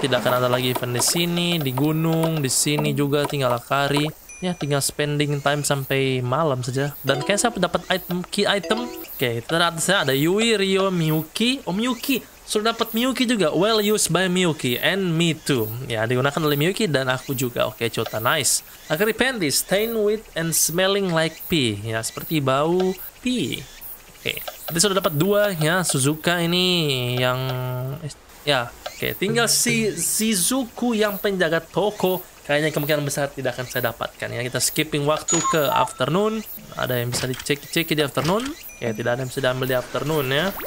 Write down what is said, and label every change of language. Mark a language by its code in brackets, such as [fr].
[id] Tidak akan ada lagi event di sini, di gunung, di sini juga tinggal Akari. Ya, tinggal spending time sampai malam saja. Dan kayaknya saya dapat item, key item. Oke, ternyata ada Yui, Rio, Miyuki. Oh, Miyuki. Sudah dapat Miyuki juga. [en] Well used by Miyuki and me too. [id] Ya, digunakan oleh Miyuki dan aku juga. Oke, Chota, nice. [en] Akari panties stained with and smelling like pee. [id] Ya, seperti bau pee. Oke, jadi sudah dapat dua ya. Suzuka ini yang... Ya, oke. Tinggal si Shizuku yang penjaga toko. Kayaknya kemungkinan besar tidak akan saya dapatkan ya. Kita skipping waktu ke afternoon. Ada yang bisa dicek-cek di afternoon. Ya, tidak ada yang bisa diambil di afternoon ya.